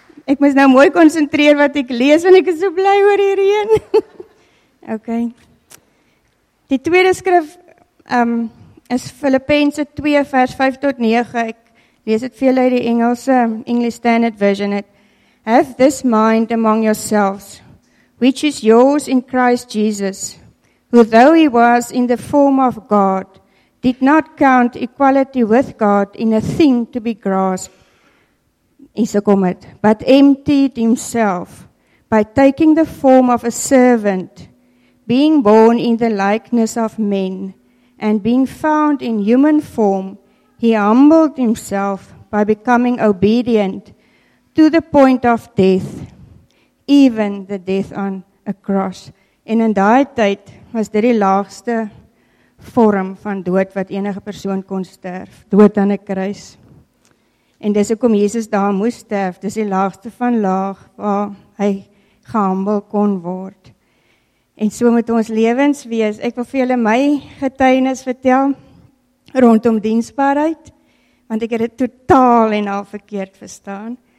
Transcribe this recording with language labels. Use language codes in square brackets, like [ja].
[af] Ek moet nou mooi konsentreer wat ek lees, want ek is so bly oor die reën. Okay. Die tweede skrif is Filippense 2 vers 5 tot 9. Ek lees dit vir julle uit die Engelse, English Standard Version. [en] Have this mind among yourselves, which is yours in Christ Jesus, who though he was in the form of God, did not count equality with God in a thing to be grasped, but emptied himself by taking the form of a servant, being born in the likeness of men, and being found in human form, he humbled himself by becoming obedient to the point of death, even the death on a cross. [af] En in daai tyd was dit die laagste vorm van dood wat enige persoon kon sterf, dood aan 'n kruis. En dis hoekom Jesus daar moes sterf, dis die laagste van laag waar hy gehandel kon word. En so moet ons lewens wees. Ek wil vir julle my getuienis vertel rondom diensbaarheid, want ek het dit totaal en al verkeerd verstaan.